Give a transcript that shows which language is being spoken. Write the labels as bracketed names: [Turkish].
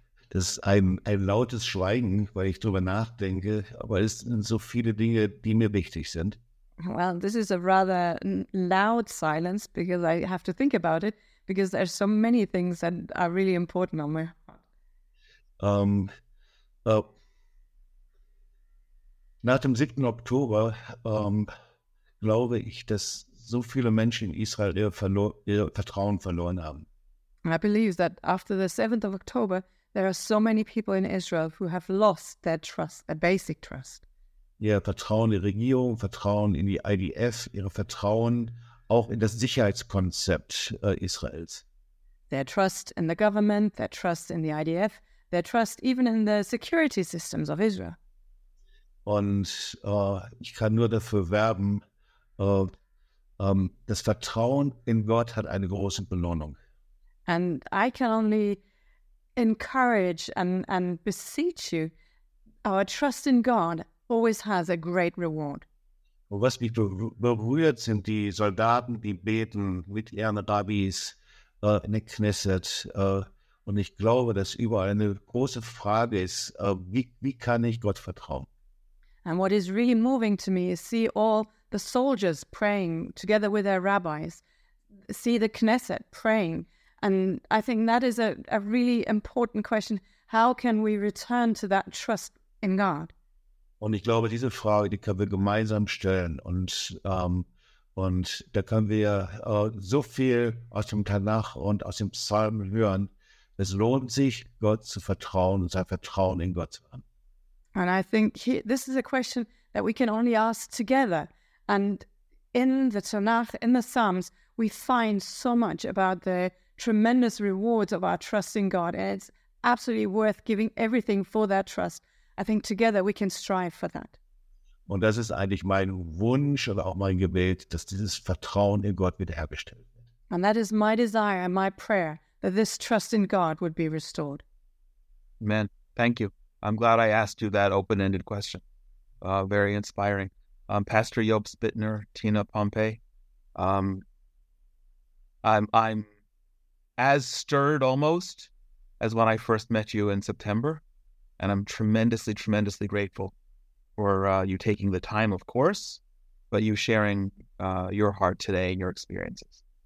[German] Das ist ein lautes Schweigen, weil ich drüber nachdenke, aber es sind so viele Dinge, die mir wichtig sind. [English] Well, this is a rather loud silence because I have to think about it, because there's so many things that are really important on my heart. [German] Nach dem 7. Oktober glaube ich, dass so viele Menschen in Israel ihr Vertrauen verloren haben. [English] I believe that after the 7th of October, there are so many people in Israel who have lost their trust, a basic trust. [German] Ja, Vertrauen in die Regierung, Vertrauen in die IDF, ihre Vertrauen auch in das Sicherheitskonzept Israels. [English] Their trust in the government, their trust in the IDF, their trust even in the security systems of Israel. [German] Und ich kann nur dafür werben, das Vertrauen in Gott hat eine große Belohnung. [English] And I can only encourage and beseech you, our trust in God always has a great reward. [German] Was mich berührt, sind die Soldaten, die beten mit ihren Rabbis in der Knesset. Und ich glaube, dass überall eine große Frage ist, wie kann ich Gott vertrauen? [English] And what is really moving to me is see all the soldiers praying together with their rabbis, see the Knesset praying. And I think that is a really important question. How can we return to that trust in God? [German] Und ich glaube, diese Frage, die können wir gemeinsam stellen. Und da können wir so viel aus dem Tanach und aus dem Psalm hören. Es lohnt sich, Gott zu vertrauen und sein Vertrauen in Gott zu haben. [English] And I think this is a question that we can only ask together. And in the Tanakh, in the Psalms, we find so much about the tremendous rewards of our trust in God. And it's absolutely worth giving everything for that trust. I think together we can strive for that. [German] Und das ist eigentlich mein Wunsch oder auch mein Gebet, dass dieses Vertrauen in Gott wiederhergestellt wird. [English] And that is my desire and my prayer, that this trust in God would be restored. Amen. Thank you. I'm glad I asked you that open-ended question. Very inspiring. Pastor Yob Spitner, Tina Pompey, I'm as stirred almost as when I first met you in September, and I'm tremendously, tremendously grateful for you taking the time, of course, but you sharing your heart today and your experiences.